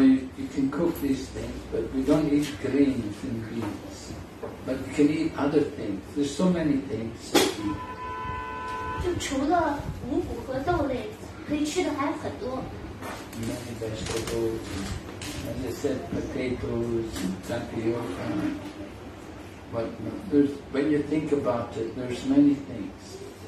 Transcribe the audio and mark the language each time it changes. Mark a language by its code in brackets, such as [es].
[en] you can cook these things, but we don't eat grains and beans. But you can eat other things. There's so many things. [zh] 就除了五谷和豆类，可以吃的还很多。 [en] Many vegetables, and, as I said, potatoes, tapioca. But there's, when you think about it, there's many things.